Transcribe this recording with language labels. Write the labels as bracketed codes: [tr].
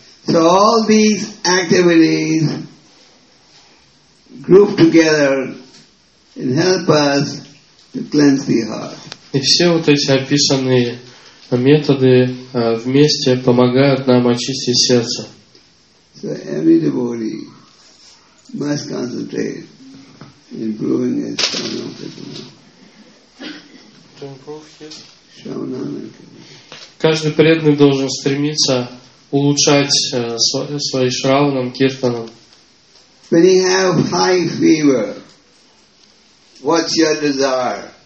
[en] So all these activities group together and help us to cleanse the heart. [ru] И все вот эти описанные методы вместе помогают нам очистить сердце. [en] So every devotee must concentrate in improving his Shravana Kirtana. [ru] Каждый преданный должен стремиться улучшать свои Шравана Киртана. [en] When you have high fever, what's your desire?